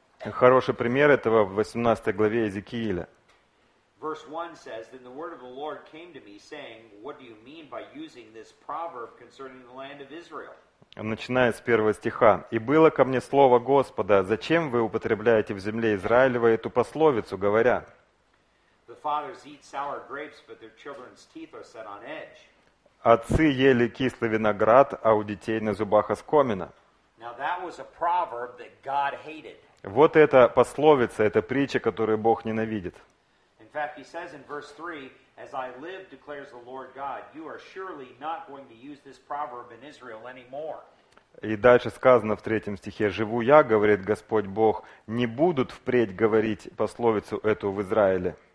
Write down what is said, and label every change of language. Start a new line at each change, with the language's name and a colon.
Russian: Хороший пример этого в 18 главе Иезекииля.
English: Verse 1 says, then the word of the Lord came to me, saying, what do you mean by using this proverb concerning the land of Israel?
Russian: Начиная с первого стиха. «И было ко мне слово Господа, зачем вы употребляете в земле Израилевой эту пословицу, говоря?»
English: The fathers eat sour grapes, but their children's teeth are set on edge.
Russian: Отцы ели кислый виноград, а у детей на зубах оскомина.
English: Now that was a proverb that God hated.
Russian: Вот это пословица, это притча, которую Бог ненавидит.
English: In fact, he says in verse 3, as I live, declares the Lord God, you are surely not going to use this proverb in Israel anymore.
Russian: И дальше сказано в третьем стихе, живу я, говорит Господь Бог, не будут впредь говорить пословицу эту в Израиле.